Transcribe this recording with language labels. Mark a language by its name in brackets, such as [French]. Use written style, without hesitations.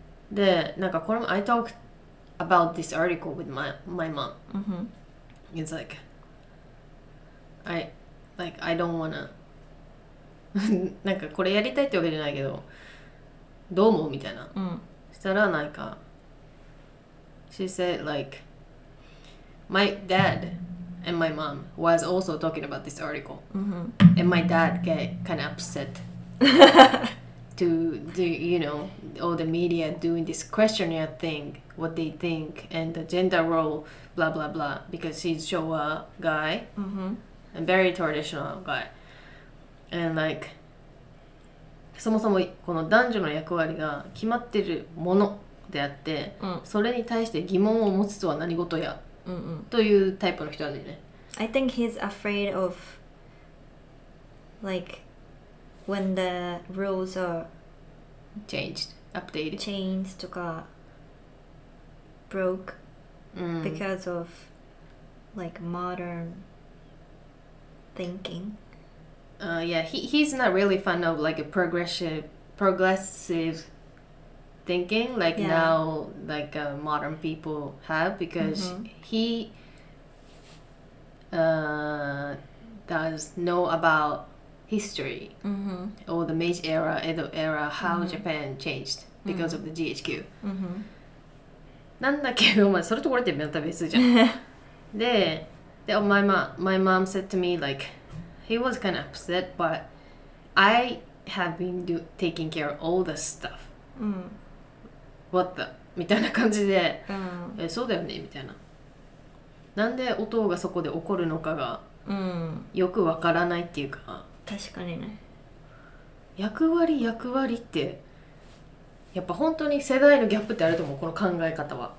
[Japanese] で、なんかこれも [English] I talked about this article with my mom、 mm-hmm. It's like Like, I don't wanna... [Japanese] なんかこれやりたいってわけじゃないけどどう思うみたいな、うん、したらなんか [English] She said like My dad and my mom was also talking about this article、うん、 And my dad get kind of upset to the, you know, all the media doing this questionnaire thing what they think and the gender role blah blah blah because he's Showa guy、うん A very traditional guy. And like, [Japanese] そもそもこの男女の役割が決まってるものであって、うん、それに対して疑問を持つとは何事や、うんうん、というタイプの人だよね。 [English] I think he's afraid of like when the rules are changed, updated. Changed とか broke、うん、 because of like modernThinking. Yeah, he's not really fan of like a progressive thinking like、yeah. now like、modern people have because、mm-hmm. he does know about history、 mm-hmm. or the Meiji era, Edo era, how、mm-hmm. Japan changed because、mm-hmm. of the GHQ. [Japanese] なんだけど、まあそれとこれってまた別じゃん。 [English] で、my mom said to me like. He was kind of upset, but I have been taking care of all the stuff.、 Mm. What the? [Japanese] みたいな感じで、 mm. え、そうだよねみたいな。なんで音がそこで起こるのかが、 mm. よくわからないっていうか。確かにね。役割って、やっぱ本当に世代のギャップってあると思う、この考え方は。